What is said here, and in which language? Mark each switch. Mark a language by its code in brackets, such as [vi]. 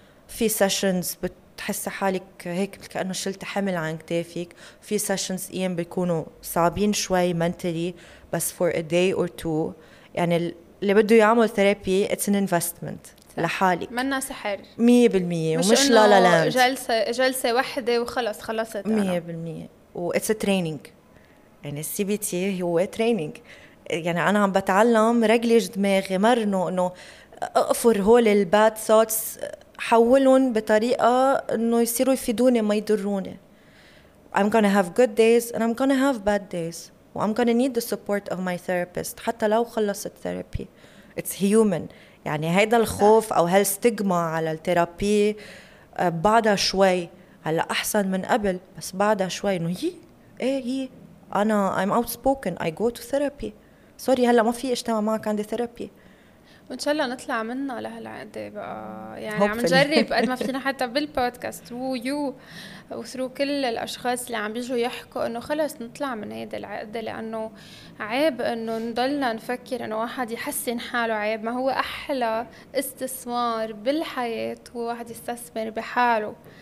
[ar] في sessions بتحس حالك هيك كأنه شلت حمل عن كتافك. في sessions أيام بيكونوا صعبين شوي mentally بس [en] for a day or two. [ar] يعني اللي بده يعمل ثيرابي [en] it's an investment [ar] لحالك منا سحر 100% ومش لا لا لاند جلسة واحدة وخلص خلصت 100% و [en] it's a training [ar] يعني السي بي تي هو training يعني أنا عم بتعلم رجلج دماغي مرنه أنه أقفر هول الباد ثوتس حولهم بطريقة أنه يصيروا يفيدوني ما يضروني. [en] I'm gonna have good days and I'm gonna have bad days. I'm gonna need the support of my therapist [ar] حتى لو خلصت [en] therapy. It's human. [ar] يعني هيدا الخوف أو هالستيغما على الثيرابي بعدها شوي. هلا أحسن من قبل بس بعدها شوي. إنه هي إيه هي أنا [en] I'm outspoken I go to therapy. Sorry [ar] هلا ما في اجتماع معك عندي therapy. وإن شاء الله نطلع منه لهالعقدة بقى يعني عم نجرب قد ما فينا حتى بالبودكاست ويو وثرو كل الأشخاص اللي عم بيجوا يحكوا إنه خلص نطلع من هيدا العقدة لأنه عيب إنه نضلنا نفكر إنه واحد يحسن حاله عيب ما هو أحلى استثمار بالحياة هو واحد يستثمر بحاله